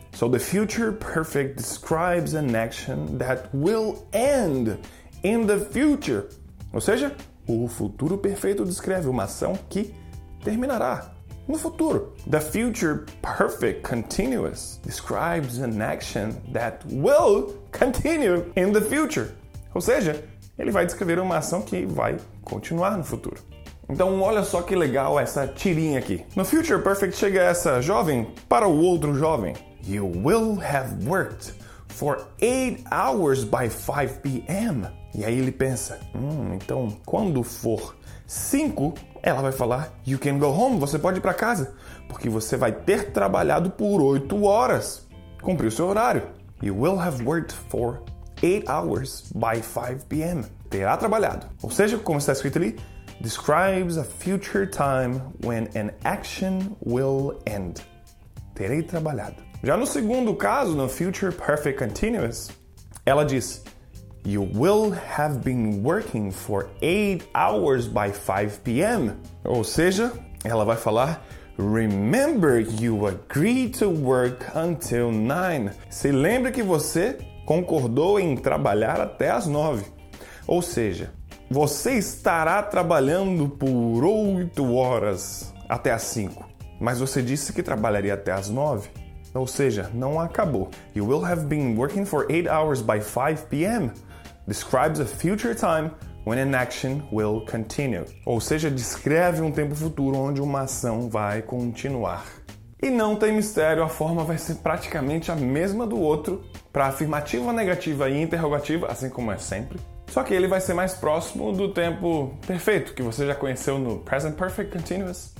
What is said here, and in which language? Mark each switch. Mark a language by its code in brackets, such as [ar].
[en] So the future perfect describes an action that will end in the future. [pt] Ou seja, o futuro perfeito descreve uma ação que terminará no futuro. [en] The future perfect continuous describes an action that will continue in the future. [pt] Ou seja, ele vai descrever uma ação que vai continuar no futuro. Então, olha só que legal essa tirinha aqui. No future perfect chega essa jovem para o outro jovem. [en] You will have worked for 8 hours by 5 p.m. [pt] E aí ele pensa, então quando for 5, ela vai falar [en] you can go home, [pt] você pode ir para casa, porque você vai ter trabalhado por 8 horas, cumpriu seu horário. [en] You will have worked for 8 hours by 5 p.m. [pt] Terá trabalhado. Ou seja, como está escrito ali, [en] describes a future time when an action will end. [pt] Terei trabalhado. Já no segundo caso, no Future Perfect Continuous, ela diz [en] you will have been working for 8 hours by 5 p.m. [pt] Ou seja, ela vai falar [en] remember you agreed to work until 9. [pt] Se lembre que você concordou em trabalhar até as 9. Ou seja, você estará trabalhando por 8 horas até as 5. Mas você disse que trabalharia até as 9. Ou seja, não acabou. [en] You will have been working for 8 hours by 5 p.m. Describes a future time when an action will continue. [pt] Ou seja, descreve um tempo futuro onde uma ação vai continuar. E não tem mistério, a forma vai ser praticamente a mesma do outro para afirmativa, negativa e interrogativa, assim como é sempre. Só que ele vai ser mais próximo do tempo perfeito, que você já conheceu no Present Perfect Continuous.